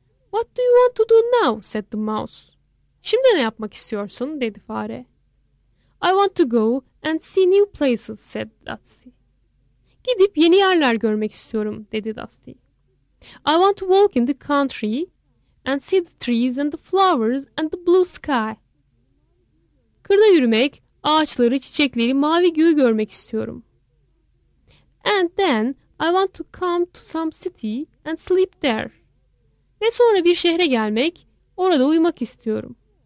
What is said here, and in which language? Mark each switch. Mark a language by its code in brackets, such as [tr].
[en] What do you want to do now? Said the mouse. [tr] Şimdi ne yapmak istiyorsun? Dedi fare. [en] I want to go and see new places, said Dusty. [tr] Gidip yeni yerler görmek istiyorum, dedi Dusty. [en] I want to walk in the country and see the trees and the flowers and the blue sky. [tr] Kırda yürümek, ağaçları, çiçekleri, mavi göğü görmek istiyorum. [en] And then I want to come to some city and sleep there. [tr] Ve sonra bir şehre gelmek, orada uyumak istiyorum.